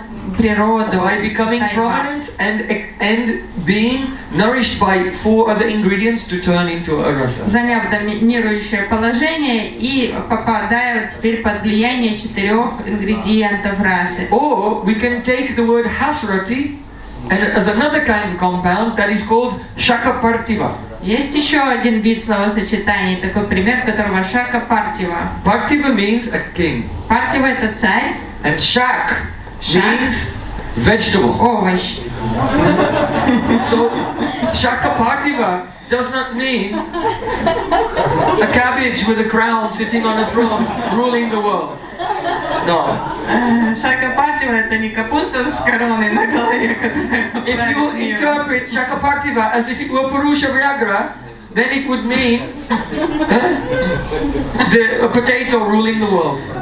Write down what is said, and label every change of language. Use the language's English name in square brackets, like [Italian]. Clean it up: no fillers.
[English] By becoming prominent and being nourished by four other ingredients to turn into a rasa. [Russian] Заняв доминирующее положение и попадая теперь под влияние четырех ингредиентов расы. [English] Or we can take the word hasrati and as another kind of compound that is called shakapartiva. [Russian] Есть еще один вид словосочетания, такой пример, которого shakapartiva. [English] Partiva means a king. [Russian] Partiva это царь. [English] And shak. Means vegetable. [Russian] Овощ. [English] So shakapartiva does not mean a cabbage with a crown sitting on a throne ruling the world. No. [Russian] Shakapartiva это не капуста с короной на голове, [English] if you interpret shakapartiva as if it were Purusha Vyagra, then it would mean the a potato ruling the world.